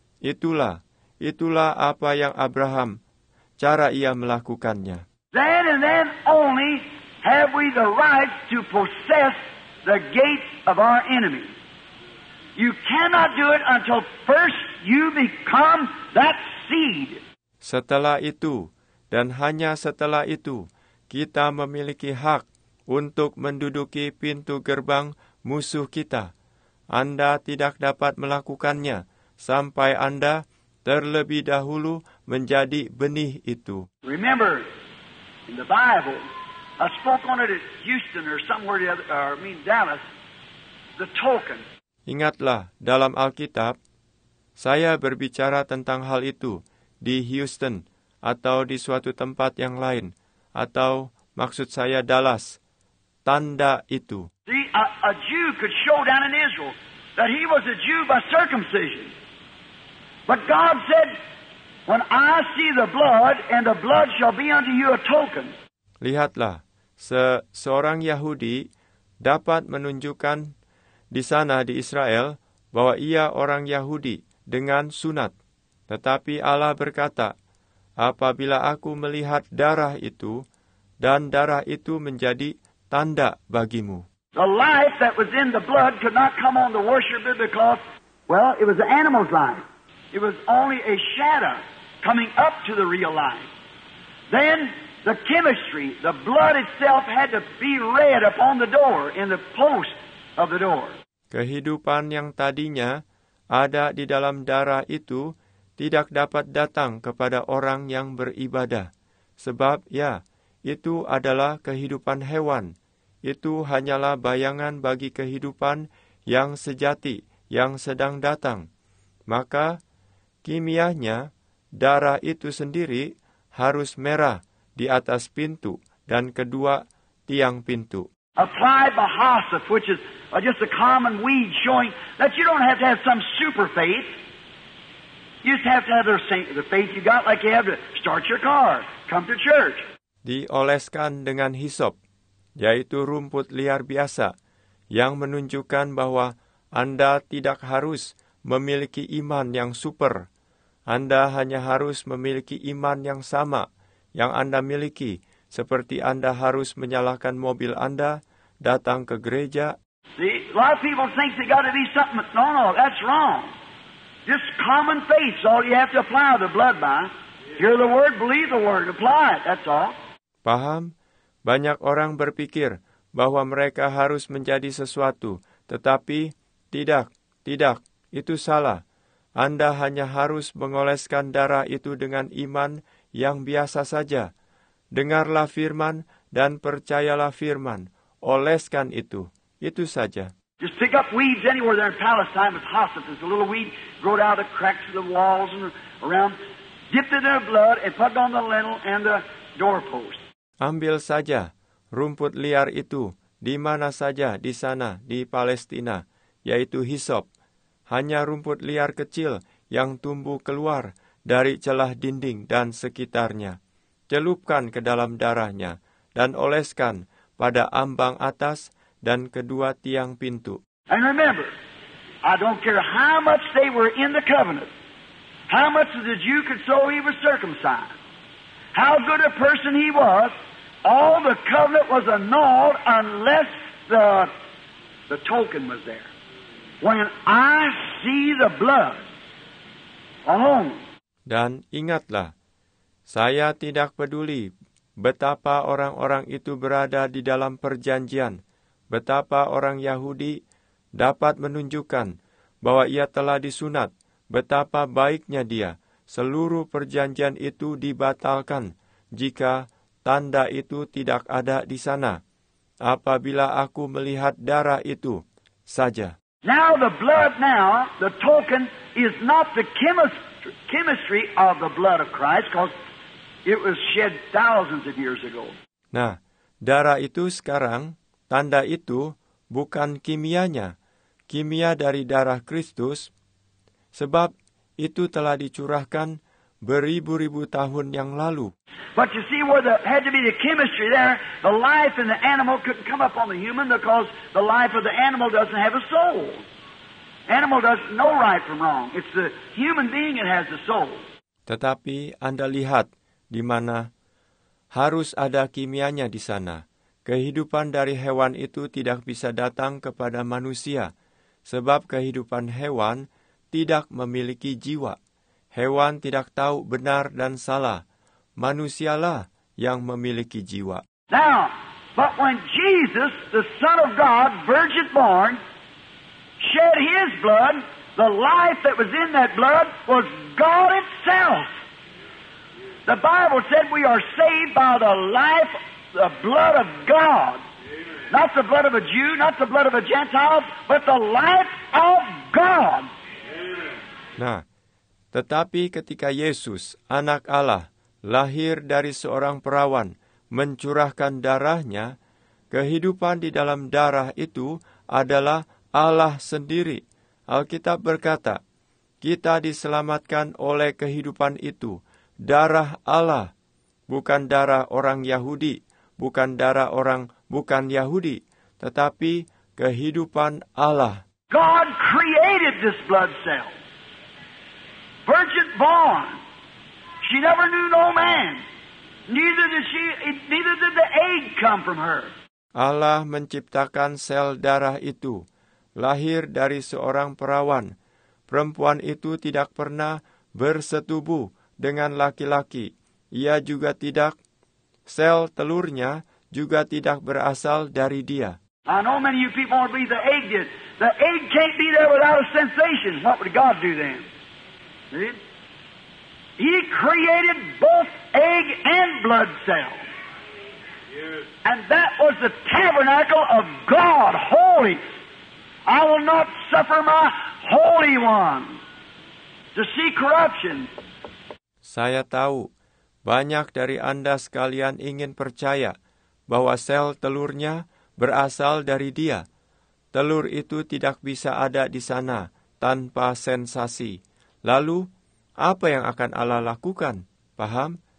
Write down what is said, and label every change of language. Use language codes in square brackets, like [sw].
[id] Itulah apa yang Abraham, cara ia melakukannya. [en] Then and then only have we the right to possess the gates of our enemy. You cannot do it until first you become that seed. [id] Setelah itu, dan hanya setelah itu, kita memiliki hak untuk menduduki pintu gerbang musuh kita. Anda tidak dapat melakukannya sampai Anda terlebih dahulu menjadi benih itu. [en] Remember, in the Bible, I spoke on it at Houston or somewhere the other, or I mean Dallas, the token. [id] Ingatlah, dalam Alkitab, saya berbicara tentang hal itu di Houston atau di suatu tempat yang lain, atau maksud saya Dallas, tanda itu. [en] A Jew could show down in Israel that he was a Jew by circumcision. But God said, when I see the blood, and the blood shall be unto you a token. [id] Lihatlah, seorang Yahudi dapat menunjukkan di sana di Israel bahwa ia orang Yahudi dengan sunat. Tetapi Allah berkata, apabila aku melihat darah itu, dan darah itu menjadi tanda bagimu. [en] The life that was in the blood could not come on the worshiper because, well, it was the animal's life. It was only a shadow coming up to the real life. Then the chemistry, the blood itself had to be read upon the door, in the post of the door. [id] Kehidupan yang tadinya ada di dalam darah itu tidak dapat datang kepada orang yang beribadah. Sebab, ya, itu adalah kehidupan hewan. Itu hanyalah bayangan bagi kehidupan yang sejati, yang sedang datang. Maka, kimianya, darah itu sendiri harus merah di atas pintu dan kedua tiang pintu. [en] Apply Bahasif, which is just a common weed showing that you don't have to have some super faith. You just have to have the faith you got like you have to start your car, come to church. [id] Dioleskan dengan hisop, yaitu rumput liar biasa, yang menunjukkan bahwa Anda tidak harus memiliki iman yang super. Anda hanya harus memiliki iman yang sama yang Anda miliki, seperti Anda harus menyalakan mobil Anda, datang ke gereja. [en] See, a lot of people think they got to be something. No, no, that's wrong. Just common faith is all you have to apply the blood by. Hear the word, believe the word, apply it, that's all. [id] Paham? Banyak orang berpikir bahwa mereka harus menjadi sesuatu, tetapi tidak, tidak, itu salah. Anda hanya harus mengoleskan darah itu dengan iman yang biasa saja. Dengarlah firman dan percayalah firman. Oleskan itu. Itu saja. [en] Just pick up weeds anywhere there in Palestine with hyssop. There's a little weed growed out of the cracks of the walls and around. Dip it in their blood and put it on the lintel and the doorpost. [id] Ambil saja rumput liar itu di mana saja di sana, di Palestina, yaitu hisop. Hanya rumput liar kecil yang tumbuh keluar dari celah dinding dan sekitarnya. Celupkan ke dalam darahnya dan oleskan pada ambang atas dan kedua tiang pintu. [en] And remember, I don't care how much they were in the covenant, how much the Jew could so he was circumcised, how good a person he was, all the covenant was annulled unless the token was there. When I see the blood alone. [id] Dan ingatlah, saya tidak peduli betapa orang-orang itu berada di dalam perjanjian, betapa orang Yahudi dapat menunjukkan bahwa ia telah disunat, betapa baiknya dia, seluruh perjanjian itu dibatalkan jika tanda itu tidak ada di sana, apabila aku melihat darah itu saja. [en] Now the blood now, the token, is not the chemistry of the blood of Christ, because it was shed thousands of years ago. [id] Nah, darah itu sekarang, tanda itu, bukan kimianya. Kimia dari darah Kristus, sebab itu telah dicurahkan beribu-ribu tahun yang lalu. [en] But you see where there had to be the chemistry there, the life in the animal couldn't come up on the human because the life of the animal doesn't have a soul. Animal doesn't know right from wrong. It's the human being that has the soul. [id] Tetapi Anda lihat di mana harus ada kimianya di sana. Kehidupan dari hewan itu tidak bisa datang kepada manusia sebab kehidupan hewan tidak memiliki jiwa. Hewan tidak tahu benar dan salah. Manusialah yang memiliki jiwa. [en] Now, but when Jesus, the Son of God, virgin born, shed his blood, the life that was in that blood was God itself. The Bible said we are saved by the life the blood of God. Not the blood of a Jew, not the blood of a Gentile, but the life of God. [id] Nah, tetapi ketika Yesus, anak Allah, lahir dari seorang perawan, mencurahkan darahnya, kehidupan di dalam darah itu adalah Allah sendiri. Alkitab berkata, kita diselamatkan oleh kehidupan itu, darah Allah, bukan darah orang Yahudi, bukan darah orang bukan Yahudi, tetapi kehidupan Allah. [en] God created this blood cell. Virgin born. She never knew no man. Neither did the egg come from her. [id] Allah menciptakan sel darah itu, lahir dari seorang perawan. Perempuan itu tidak pernah bersetubuh dengan laki-laki. Ia juga tidak, sel telurnya juga tidak berasal dari dia. [en] I know many of you people want to believe the egg did. The egg can't be there without a sensation. What would God do then? He created both egg and blood cells. And that was the tabernacle of God, holy. I will not suffer my Holy One to see corruption. [id] Saya tahu, banyak dari Anda sekalian ingin percaya bahwa sel telurnya berasal dari dia. Telur itu tidak bisa ada di sana tanpa sensasi. Lalu, apa yang akan Allah lakukan? Paham?